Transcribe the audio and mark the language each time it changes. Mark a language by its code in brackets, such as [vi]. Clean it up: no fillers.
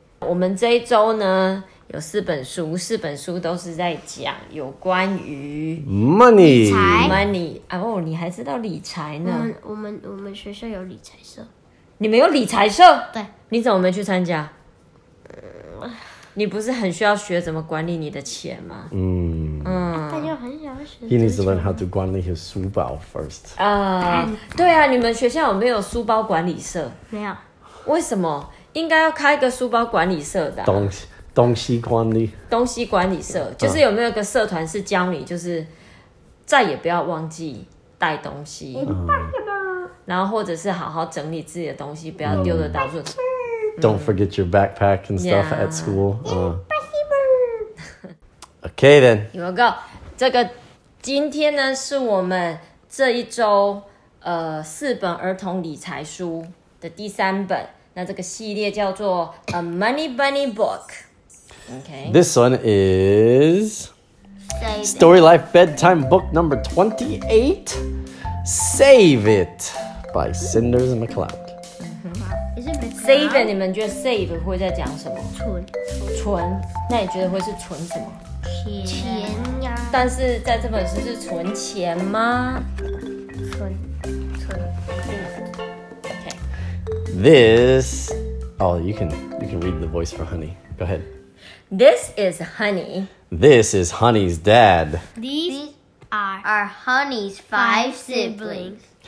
[zh] 我们这一周呢有四本书，四本书都是在讲有关于 [en] money [zh] 哦，你还知道理财呢？我们学校有理财社。你们有理财社？对。你怎么没去参加？你不是很需要学怎么管理你的钱吗？他就很想要学。 [en] He needs to learn how to [zh] 管理 [en] his [zh] 书包 [en] first。 [zh] 对啊，你们学校有没有书包管理社？没有。为什么？应该要开一个书包管理社的、啊。东西管理。东西管理社就是有没有一个社团是教你，就是再也不要忘记带东西。然后或者是好好整理自己的东西，不要丢的到处。 [en] Don't forget your backpack and stuff、 yeah. at school. Okay then. Here we go. [zh] 这个今天呢是我们这一周四本儿童理财书的第三本。那这个系列叫做 A Money Bunny Book. [en] Okay. This one is Story Life Bedtime Book Number 28. Save It by Cinders and McCloud. [zh] Save 你们觉得 save 会在讲什么？存，那你觉得会是存什么？钱呀。但是在这本书是存钱吗？存。 [en] Okay. This, oh, you can read the voice for Honey. Go ahead. This is Honey. This is Honey's dad. These are Honey's five siblings.